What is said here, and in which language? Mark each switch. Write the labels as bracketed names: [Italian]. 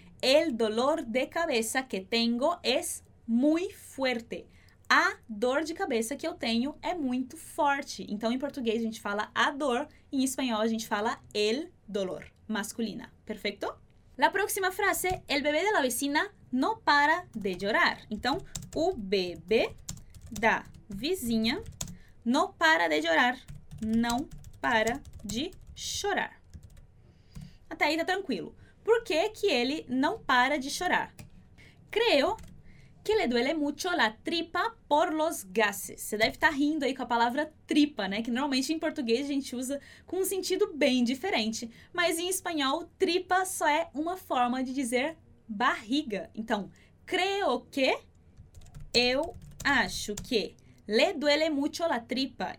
[Spanish] El dolor de cabeza que tengo es muy fuerte. [Portuguese] A dor de cabeça que eu tenho é muito forte. Então, em português, a gente fala a dor. Em espanhol, a gente fala [Spanish] el dolor, [Portuguese] masculina. Perfeito? [Spanish] La próxima frase, el bebé de la vecina no para de llorar. [Portuguese] Então, o bebê da vizinha [Spanish] no para de llorar. [Portuguese] Não para de chorar. Até aí, tá tranquilo. Por que que ele não para de chorar? [Spanish] Creo que le duele mucho la tripa por los gases. [Portuguese] Você deve estar rindo aí com a palavra tripa, né? Que normalmente em português a gente usa com um sentido bem diferente. Mas em espanhol, tripa só é uma forma de dizer barriga. Então, [Spanish] creo que, [Portuguese] eu acho que, [Spanish] le duele mucho la tripa.